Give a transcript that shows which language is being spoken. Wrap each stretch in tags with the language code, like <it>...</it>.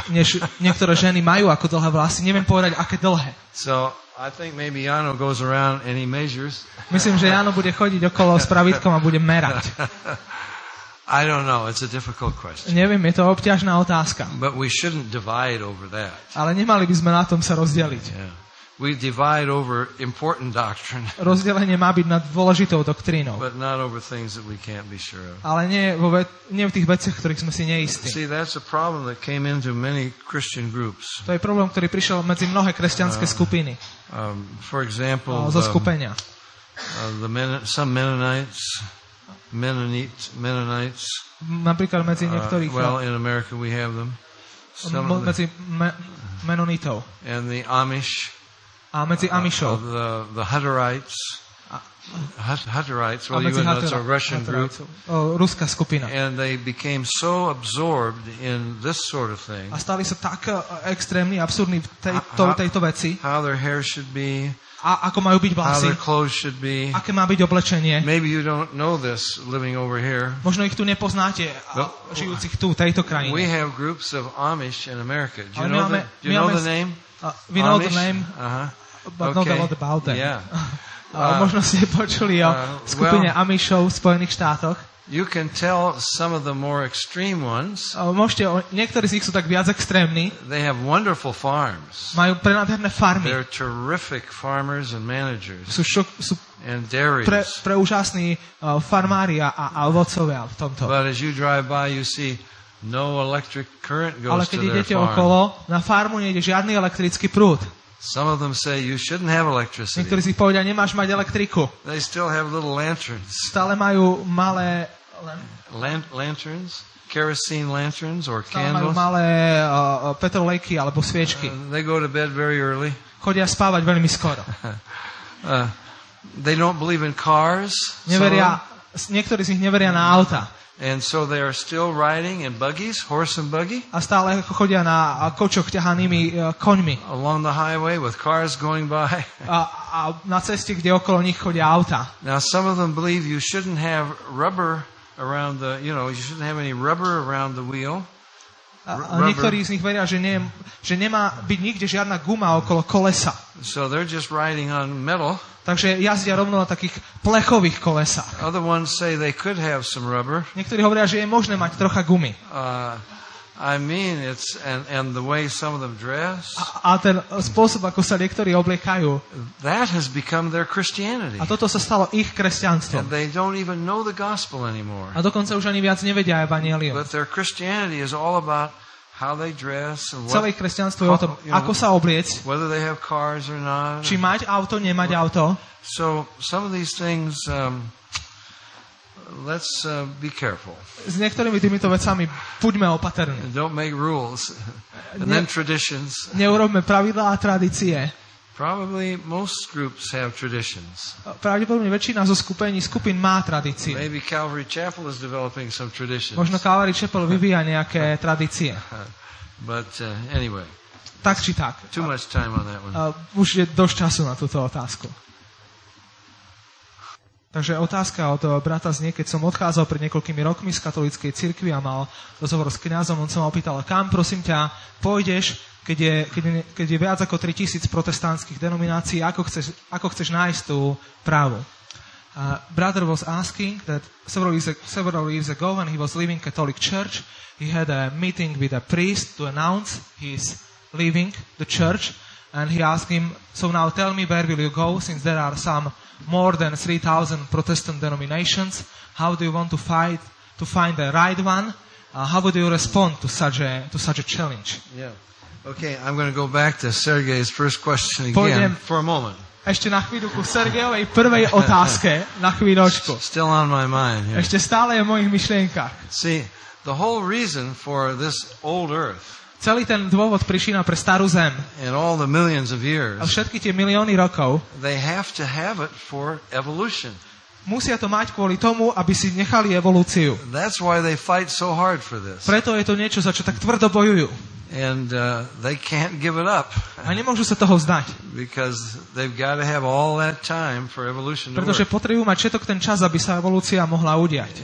<sk>Než niektoré ženy majú ako dlhé vlasy, neviem povedať aké dlhé.</sk> <en>So I think maybe Jano goes around and he measures.</en> <sk>Myslím, že Jano bude chodiť okolo s pravidkom a bude merať.</sk> <en>I don't know, it's a difficult question.</en> <sk>Neviem, je to obťažná otázka.</sk> <en>But we shouldn't divide over that.</en> <sk>Ale nemali by sme na tom sa rozdeliť.</sk> <en>Yeah. We divide over important doctrine.</en> <sk>Rozdelenie má byť nad dôležitou doktrínou.</sk> <en>But not over things that we can't be sure of.</en> <sk>Ale nie vo v tých veciach, ktorých sme si neistí.</sk> <en>See, that's a problem that came into many Christian groups.</en> <sk>To je problém, ktorý prišiel medzi mnohé kresťanské skupiny.</sk> <en>For example,</en> <sk>zo skupenia.</sk> <en>Some Mennonites. Mennonites.</en> <sk>Napríklad medzi niektorých.</sk> <en>Well, in America we have them.</en> <sk>Medzi Mennonitov.</sk> <en>And the Amish.</en> <sk>A medzi Amishov.</sk> <en>The Hutterites. Hutterites. Well, you know, it's a Russian group.</en> <sk>Ruská skupina.</sk> <en>And they became so absorbed in this sort of thing.</en> <sk>A stali sa tak extrémni, absurdní v tejto veci.</sk> <en>How their hair should be.</en> <sk>A ako majú byť vlasy?</sk> <en>How their clothes should be.</en> <sk>Aké má byť oblečenie?</sk> <en>Maybe you don't know this living over here.</en> <sk>Možno ich tu nepoznáte, žijúcich tu, tejto krajine.</sk> <en>We have groups of Amish in America. Do you know the, do you know the name? We know the name. But okay. Not a lot about them. Yeah.</en> <sk>Možno ste počuli o skupine Amishov v Spojených štátoch.</sk> <en>You can tell some of the more extreme ones.</en> <sk>Môžete, niektorí z nich sú tak viac extrémni.</sk> <en>They have wonderful farms.</en> <sk>Majú prenádherné farmy.</sk> <en>They're terrific farmers and managers.</en> <sk>Sú</sk> <en>and dairies.</en> <sk>Preúžasní farmári a ovocovia v tomto.</sk> <en>But as you drive by, you see no electric current goes to their farm.</en> <sk>Ale keď idete okolo, na farmu nejde žiadny elektrický prúd.</sk> <en>Some of them say you shouldn't have electricity.</en> <sk>Niektorí si povedia, nemáš mať elektriku.</sk> <en>They still have little lanterns.</en> <sk>Stále majú malé</sk> <en>lanterns, kerosene lanterns or candles.</en> <sk>Stále majú malé petrolejky alebo sviečky.</sk> <en>They go to bed very early.</en> <sk>Chodia spávať veľmi skoro.</sk> <en>They don't believe in cars.</en> <sk>Neveria, niektorí z nich neveria na auta.</sk> <en>And so they are still riding in buggies, horse and buggy.</en> <sk>A stále chodia na kočoch ťahanými koňmi.</sk> <en>Along the highway with cars going by.</en> <sk>A na ceste, kde okolo nich chodia auta.</sk> <en>Now some of them believe you shouldn't have rubber around the, you know, you shouldn't have any rubber around the wheel.</en> <sk>A niektorí z nich veria, že nemá byť nikde žiadna guma okolo kolesa.</sk> <en>So they're just riding on metal.</en> <sk>Takže jazdia rovno na takých plechových kolesách.</sk> <en>Other ones say they could have some rubber.</en> <sk>Niektorí hovoria, že je možné mať trocha gumy.</sk> <en>I mean it's and the way some of them dress.</en> <sk>A ten spôsob, ako sa niektorí obliekajú.</sk> <en>That has become their Christianity.</en> <sk>A toto sa stalo ich kresťanstvom.</sk> <en>And they don't even know the gospel anymore.</en> <sk>A dokonca už ani viac nevedia evanjelium.</sk> <en>But their Christianity is all about how they dress and what.</en> <sk>Celé kresťanstvo je o tom, ako sa obliecť.</sk> <en>Whether they have cars or not.</en> <sk>Či mať auto, nemať auto.</sk> <en>So some of these things let's be careful.</en> <sk>S niektorými týmito vecami buďme opatrní.</sk> <en>Don't make rules and then traditions.</en> <sk>Neurobme pravidlá a tradície.</sk> <en>Probably most groups have traditions.</en> <sk>Pravdepodobne väčšina zo skupín má tradície.</sk> <en>Maybe Calvary Chapel is developing some traditions.</en> <sk>Možno Calvary Chapel vyvíja nejaké tradície.</sk> <en>But anyway.</en> <sk>Tak či tak.</sk> <en>Too much time on that one.</en> <sk>Už je dosť času na túto otázku. Takže otázka od brata znie, keď som odchádzal pred niekoľkými rokmi z katolíckej cirkvi a mal rozhovor s kňazom, on sa ma opýtal, kam prosím ťa pôjdeš, keď je viac ako 3000 protestantských denominácií, ako chceš nájsť tú právu.</sk> <en>Brother was asking that several years ago when he was leaving Catholic Church, he had a meeting with a priest to announce his leaving the church and he asked him, so now tell me where will you go since there are some more than 3,000 Protestant denominations. How do you want to find the right one? How would you respond to such a challenge? Yeah. Okay, I'm going to go back to Sergei's first question again for a moment.</en> <sk>Ještě na chvíli ku Sergejovej prvej otázce na chvíličku.</sk> <en>Still on my mind. Here.</en> <sk>Ještě stále je v mojich myšlenkách.</sk> <en>See, the whole reason for this old earth.</en> <cs>Celý ten důvod příčina pro starou zem.</cs> <en>And all the millions of years.</en> <sk>A všetky tie milióny rokov.</sk> <en>They have to have it for evolution.</en> <sk>Musia to mať kvôli tomu, aby si nechali evolúciu.</sk> <en>That's why they fight so hard for this.</en> <sk>Preto je to niečo, za čo tak tvrdo bojujú.</sk> <en>And they can't give it up.</en> <sk>A nemôžu sa toho vzdať.</sk> <en>Because they've got to have all that time for evolution to work.</en> <sk>Pretože potrebujú mať všetok ten čas, aby sa evolúcia mohla udiať.</sk>